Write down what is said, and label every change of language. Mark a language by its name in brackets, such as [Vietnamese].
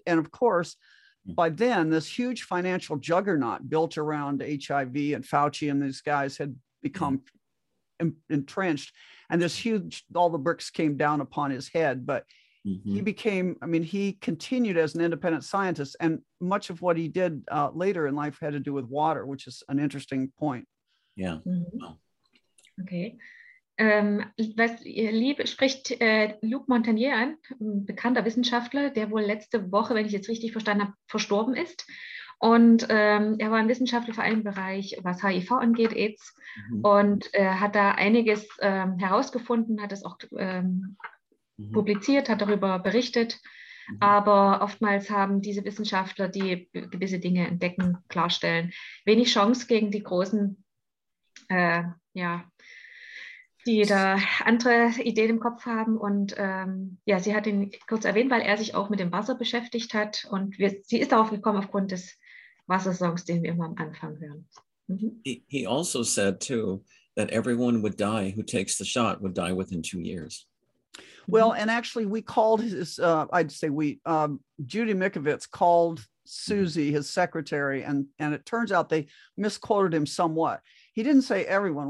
[English] And of course, by then, this huge financial juggernaut built around HIV and Fauci and these guys had become entrenched, and this huge, all the bricks came down upon his head. But he became, I mean, he continued as an independent scientist, and much of what he did later in life had to do with water, which is an interesting point. Yeah. Mm-hmm. Okay. [German] Was Lieb spricht Luc Montagnier an, ein bekannter Wissenschaftler, der wohl letzte Woche, wenn ich jetzt richtig verstanden habe, verstorben ist. Und er war ein Wissenschaftler vor allem im Bereich, was HIV angeht, AIDS, und hat da einiges herausgefunden, hat es auch publiziert, hat darüber berichtet. Aber oftmals haben diese Wissenschaftler, die gewisse Dinge entdecken, klarstellen, wenig Chance gegen die großen, die da andere Ideen im Kopf haben. Und sie hat ihn kurz erwähnt, weil er sich auch mit dem Wasser beschäftigt hat. Und sie ist darauf gekommen aufgrund des Wassersongs, den wir immer am Anfang hören. [English] He also said too that everyone would die who takes the shot would die within 2 years. Well, and actually we called Judy Mikovits called Susie, his secretary, and it turns out they misquoted him somewhat. He didn't say everyone.